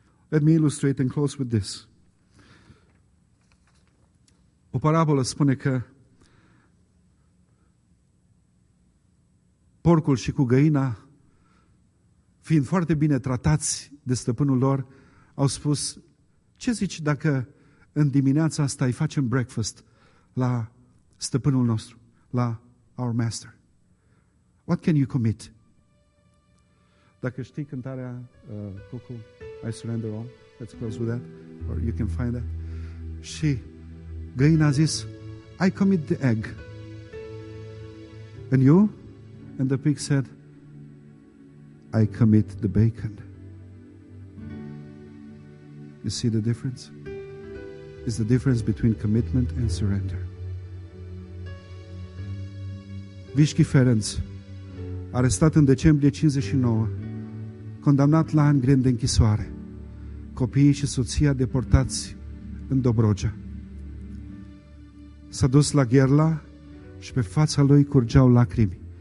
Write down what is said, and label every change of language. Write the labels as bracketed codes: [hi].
[en] Let me illustrate and close with this. [ro] O parabolă spune că porcul și cu găina, fiind foarte bine tratați de stăpânul lor, au spus, ce zici dacă în dimineața asta îi facem breakfast la stăpânul nostru, la [en] our master? What can you commit? [ro] Dacă știi cântarea Cucu, [en] I surrender all, let's close with that, or you can find that. [ro] Și găina a zis, [en] I commit the egg. And you? And the pig said, I commit the bacon. You see the difference? It's the difference between commitment and surrender. [ro] Vishki Ferenc, arestat în decembrie 59, condamnat la ani grei de închisoare, copiii și soția deportați în Dobrogea. S-a dus la Gherla și pe fața lui curgeau lacrimi.